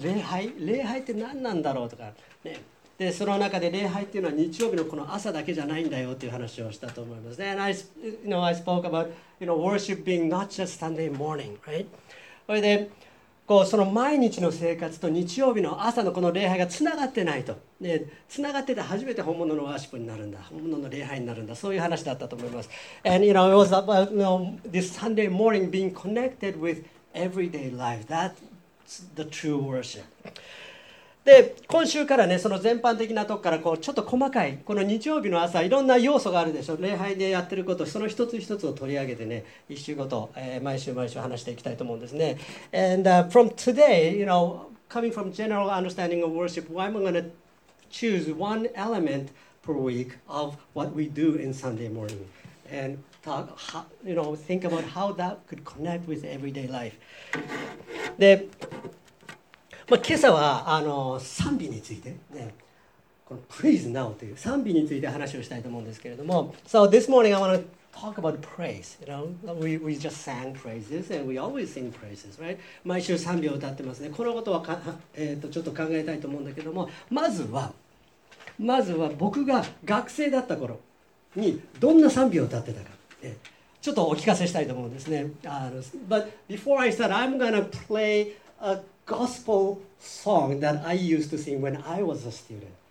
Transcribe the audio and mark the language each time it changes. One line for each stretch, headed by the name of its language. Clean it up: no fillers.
Japanese: 礼拝、礼拝って何なんだろうとかね。でその中で礼拝っていうのは日曜日のこの朝だけじゃないんだよっていう話をしたと思いますね。
English: And I, you know, I spoke about, you know, worship being not just Sunday morning, right?
Japanese: それで、こうその毎日の生活と日曜日の朝のこの礼拝がつながってないと。ね、つながってて初めて本物のワーシップになるんだ。本物の礼拝になるんだ。そういう話だったと思います。
English: And, you know, it was about, you know, this Sunday morning being connected with everyday life. That's the true worship.
Japanese: で今週からね、その全般的なとこからこうちょっと細かいこの日曜日の朝、いろんな要素があるでしょ。礼拝でやってること、その一つ一つを取り上げてね、一週ごと、毎週毎週話していきたいと思うんですね。
English: And、from today, you know, coming from general understanding of worship, why am I going to choose one element per week of what we do in Sunday morning and talk, how, you know, think about how that could connect with everyday life.
Japanese: でまあ、今朝はあの賛美について、ね、この Praise Now という賛美について話をしたいと思うんですけれども、
English: So this morning I want to talk about praise. You know, we just sang praises and we always sing praises, right?
Japanese: 毎週賛美を歌ってますね。このことはか、ちょっと考えたいと思うんだけども、まずは僕が学生だった頃にどんな賛美を歌ってたか、ね、ちょっとお聞かせしたいと思うんですね。
English: But before I start, I'm gonna play aGospel song that I used to sing when I was a student.